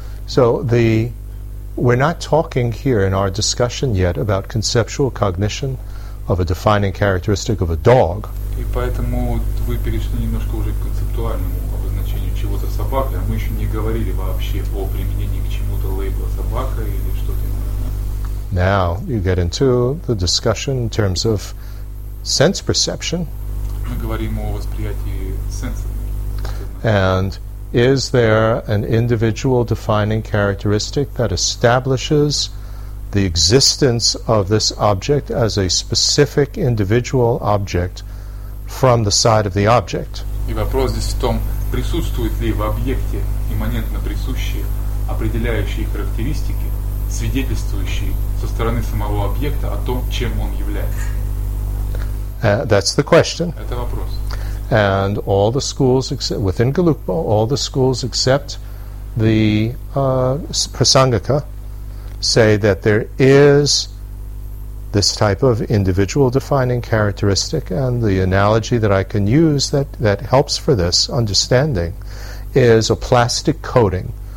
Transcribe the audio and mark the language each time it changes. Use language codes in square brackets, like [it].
[en] So we're not talking here in our discussion yet about conceptual cognition of a defining characteristic of a dog. [ru] И поэтому вы перешли немножко уже к концептуальному обозначению чего-то собака, а мы еще не говорили вообще о применении к чему-то лейбла собака или что-то иное. [en] Now you get into the discussion in terms of sense perception. [ru] Мы говорим о восприятии сенса. [en] And is there an individual defining characteristic that establishes the existence of this object as a specific individual object from the side of the object? [ru] И вопрос здесь в том, присутствует ли в объекте имманентно присущие определяющие характеристики, свидетельствующие со стороны самого объекта о том, чем он является? [en] That's the question. [ru] Это вопрос. [en] And all the schools, except within Galukpa, all the schools except the Prasangika say that there is this type of individual defining characteristic. And the analogy that I can use that helps for this understanding is a plastic coating.